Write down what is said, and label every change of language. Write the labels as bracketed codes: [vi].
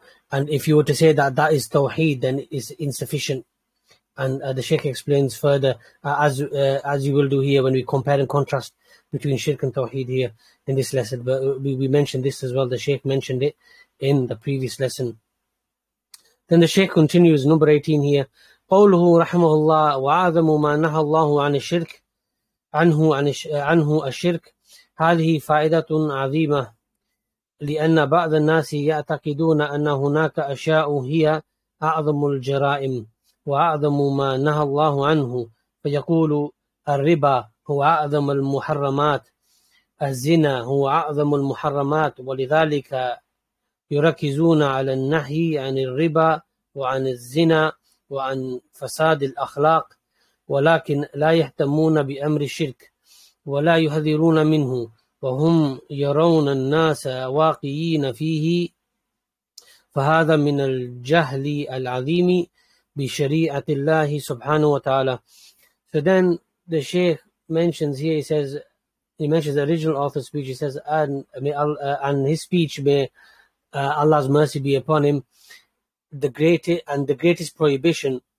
[en] And if you were to say that is Tawheed, then it's insufficient. And the Shaykh explains further, as you will do here when we compare and contrast between Shirk and Tawheed here in this lesson. But we mentioned this as well. The Shaykh mentioned it in the previous lesson. Then the Shaykh continues, number 18 here. [ar] قوله رحمه الله وعظم ما نهى الله عن الشرك عنه الشرك هذه فائدة عظيمة لأن بعض الناس يعتقدون أن هناك أشياء هي أعظم الجرائم وأعظم ما نهى الله عنه فيقول الربا هو أعظم المحرمات الزنا هو أعظم المحرمات ولذلك يركزون على النهي عن الربا وعن الزنا وعن فساد الأخلاق ولكن لا يهتمون بأمر الشرك ولا يحذرون منه وهم يرون الناس واقعين فيه فهذا من الجهل العظيم بشريعة الله سبحانه وتعالى. [en] So then the Shaykh mentions here, he mentions the original author's speech, he says, and his speech may Allah's mercy be upon him, the greatest prohibition